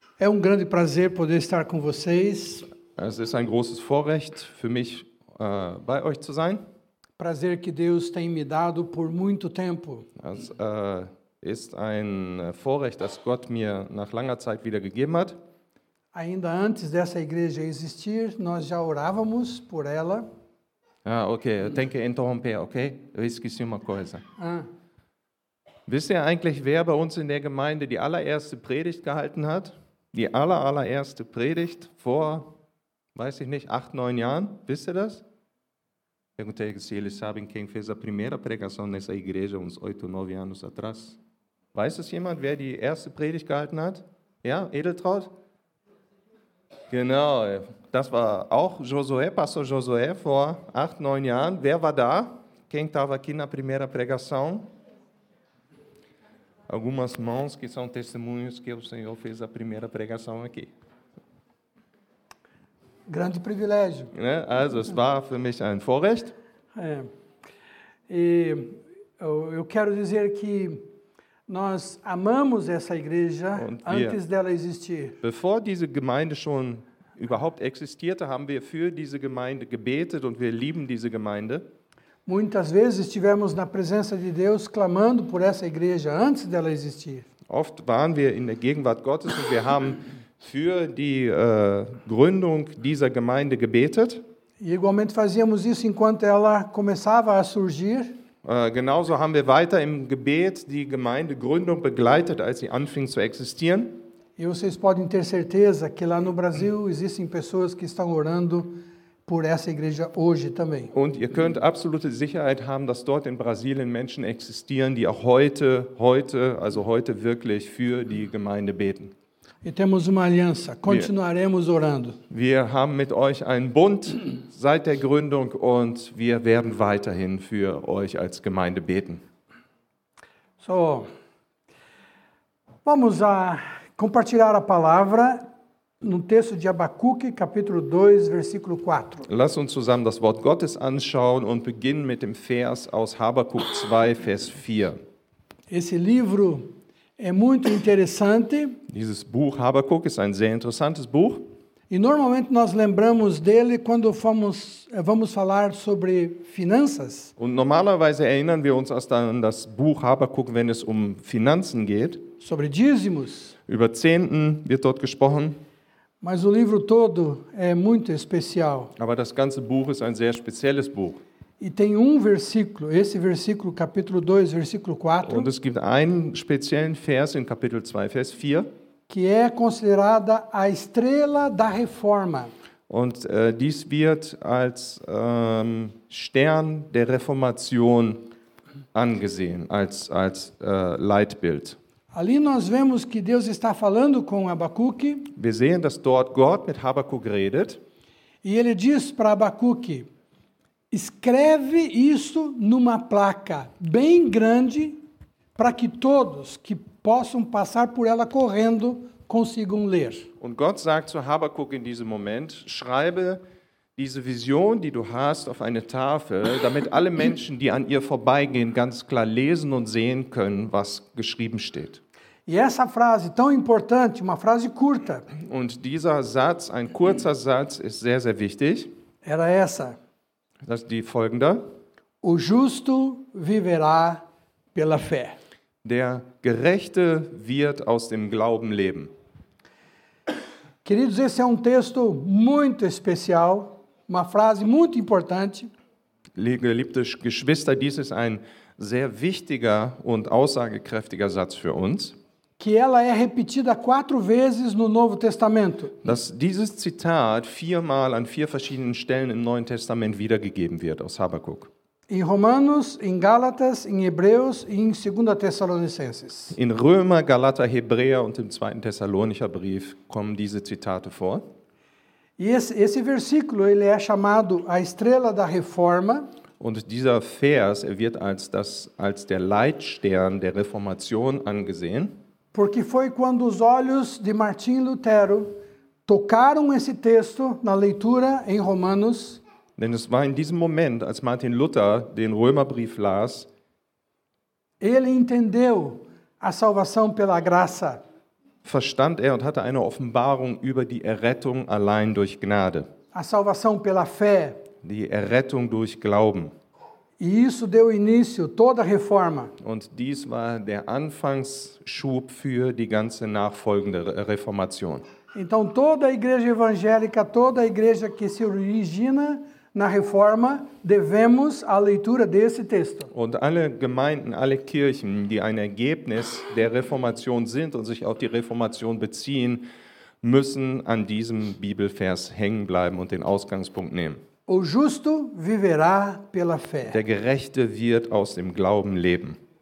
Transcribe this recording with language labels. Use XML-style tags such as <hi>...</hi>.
<pt>É um grande prazer poder estar com vocês.</pt> <de>Es ist ein großes Vorrecht für mich, bei euch zu sein.</de> <pt>Prazer que Deus tem me dado por muito tempo.</pt> <de>Es ist ein Vorrecht, das Gott mir nach langer Zeit wieder gegeben hat.</de> <pt>Ainda antes dessa igreja existir, nós já orávamos por ela. Ah, ok. Eu tenho que interromper, ok? Eu esqueci uma coisa.</pt> <de>Wisst ihr eigentlich, wer bei uns in der Gemeinde die allererste Predigt gehalten hat? Die allererste Predigt vor, weiß ich nicht, 8-9 Jahren? Wisst ihr das?</de> <pt>Perguntei, se eles sabem quem fez a primeira pregação nessa igreja uns 8-9 anos atrás.</pt> <de>Weiß es jemand, wer die erste Predigt gehalten hat? Ja, Edeltraut? Genau, das war auch Josué, Pastor Josué, vor 8-9 Jahren. Wer war da?</de> <pt>Quem estava aqui na primeira pregação? Algumas mãos que são testemunhos que o Senhor fez a primeira pregação aqui. Grande privilégio. Né?</pt> <de>Also, es war für mich ein Vorrecht.</de> <pt>E eu quero dizer que nós amamos essa igreja antes dela existir.</pt> <de>Bevor diese Gemeinde schon überhaupt existierte, haben wir für diese Gemeinde gebetet und wir lieben diese Gemeinde.</de> <pt>Muitas vezes estivemos na presença de Deus clamando por essa igreja antes dela existir.</pt> <de>Oft waren wir in der Gegenwart Gottes und wir haben für die Gründung dieser Gemeinde gebetet.</de> <pt>E igualmente fazíamos isso enquanto ela começava a surgir.</pt> <de>Genauso haben wir weiter im Gebet die Gemeindegründung begleitet, als sie anfing zu existieren.</de> <pt>E vocês podem ter certeza que lá no Brasil existem pessoas que estão orando por essa igreja hoje também.</pt> <de>Und ihr könnt absolute Sicherheit haben, dass dort in Brasilien Menschen existieren, die auch heute wirklich für die Gemeinde beten.</de> <pt>E temos uma aliança, continuaremos orando.</pt> <de>Wir haben mit euch einen Bund seit der Gründung und wir werden weiterhin für euch als Gemeinde beten. So.</de> <pt>Vamos a compartilhar a palavra no texto de Abacuque, capítulo 2, versículo 4.</pt> <de>Lass uns zusammen das Wort Gottes anschauen und beginnen mit dem Vers aus Habakkuk 2, Vers 4.</de> <pt>Esse livro é muito interessante.</pt> <de>Dieses Buch Habakkuk ist ein sehr interessantes Buch.</de> <pt>E normalmente nós lembramos dele quando vamos falar sobre finanças.</pt> <de>Und normalerweise erinnern wir uns erst an das Buch Habakkuk, wenn es um Finanzen geht.</de> <pt>Sobre dízimos.</pt> <de>Über Zehnten wird dort gesprochen.</de> <pt>Mas o livro todo é muito especial.</pt> <de>Aber das ganze Buch ist ein sehr spezielles Buch.</de> <pt>E tem versículo, esse versículo, capítulo 2, versículo 4.</pt> <de>Und es gibt einen speziellen Vers in Kapitel 2, Vers 4.</de> <pt>Que é considerada a estrela da reforma.</pt> <de>Und dies wird als Stern der Reformation angesehen, als Leitbild.</de> <pt>Ali nós vemos que Deus está falando com Abacuque.</pt> <de>Wir sehen, dass dort Gott mit Habakkuk redet.</de> <pt>E ele diz para Abacuque: escreve isso numa placa bem grande para que todos que possam passar por ela correndo consigam ler.</pt> <de>Und Gott sagt zu Habakuk in diesem Moment: schreibe diese Vision, die du hast, auf eine Tafel, damit alle Menschen, die an ihr vorbeigehen, ganz klar lesen und sehen können, was geschrieben steht.</de> <pt>E essa frase tão importante, uma frase curta.</pt> <de>Und dieser Satz, ein kurzer Satz, ist sehr, sehr wichtig.</de> <pt>Era essa.</pt> <de>Das ist die folgende.</de> <pt>O justo viverá pela fé.</pt> <de>Der Gerechte wird aus dem Glauben leben.</de> <pt>Queridos, esse é texto muito especial, uma frase muito importante.</pt> <de>Geliebte Geschwister, dies ist ein sehr wichtiger und aussagekräftiger Satz für uns.</de> <pt>Que ela é repetida 4 vezes no Novo Testamento.</pt> <de>Dass dieses Zitat 4-mal an 4 verschiedenen Stellen im Neuen Testament wiedergegeben wird aus Habakkuk.</de> <pt>Em Romanos, em Gálatas, em Hebreus e em 2 Tessalonicenses.</pt> <de>In Römer, Galater, Hebräer und im 2. Thessalonicher Brief kommen diese Zitate vor.</de> <pt>E esse versículo, ele é chamado a estrela da reforma.</pt> <de>Und dieser Vers, er wird als der Leitstern der Reformation angesehen.</de> <pt>Porque foi quando os olhos de Martin Lutero tocaram esse texto na leitura em Romanos.</pt> <de>Denn es war in diesem Moment, als Martin Luther den Römerbrief las,</de> <pt>ele entendeu a salvação pela graça.</pt> <de>verstand er und hatte eine Offenbarung über die Errettung allein durch Gnade.</de> <pt>A salvação pela fé.</pt> <de>Die Errettung durch Glauben.</de> <pt>E isso deu início toda a reforma.</pt> <de>Und dies war der Anfangsschub für die ganze nachfolgende Reformation.</de> <pt>Então toda a igreja evangélica, toda a igreja que se origina na reforma, devemos a leitura desse texto.</pt> <de>Und alle Gemeinden, alle Kirchen, die ein Ergebnis der Reformation sind und sich auf die Reformation beziehen, müssen an diesem Bibelvers hängen bleiben und den Ausgangspunkt nehmen.</de> <pt>O justo viverá pela fé.</pt> <de>Der Gerechte wird aus dem Glauben leben.</de>